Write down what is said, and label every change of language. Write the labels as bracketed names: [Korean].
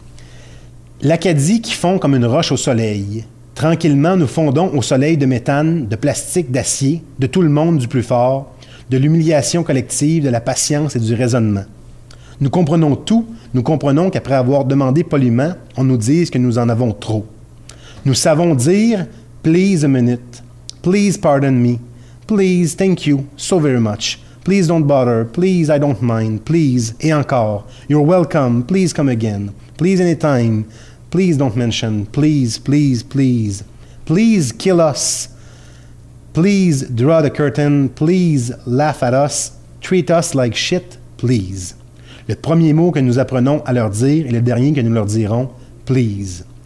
[French] « L'Acadie qui fond comme une roche au soleil. » Tranquillement, nous fondons au soleil de méthane, de plastique, d'acier, de tout le monde du plus fort, de l'humiliation collective, de la patience et du raisonnement. Nous comprenons tout, nous comprenons qu'après avoir demandé poliment, on nous dise que nous en avons trop. Nous savons dire [English] « Please a minute, please pardon me, please thank you so very much, please don't bother, please I don't mind, please, [French] et encore, [English] you're welcome, please come again, please anytime, please don't mention, please, please, please. Please kill us. Please draw the curtain. Please laugh at us. Treat us like shit, please. [French] Le premier mot que nous apprenons à leur dire est le dernier que nous leur dirons, please.